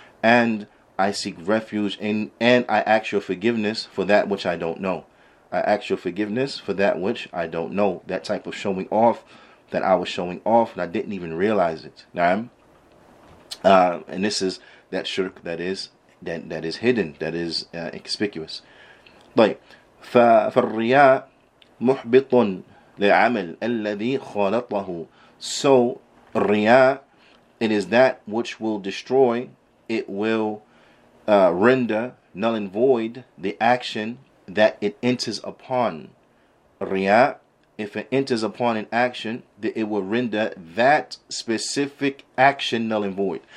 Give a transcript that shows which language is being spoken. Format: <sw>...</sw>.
<en>And I seek refuge in, and I ask your forgiveness for that which I don't know. I ask your forgiveness for that which I don't know. That type of showing off that I was showing off and I didn't even realize it. Naam. And this is that shirk that is hidden, that is conspicuous.</en> <ar>Like, فالرياء محبط لعمل الذي خالطه.</ar> <en>So, ria, it is that which will destroy, it will render null and void the action that it enters upon. Ria, if it enters upon an action, that it will render that specific action null and void.</en>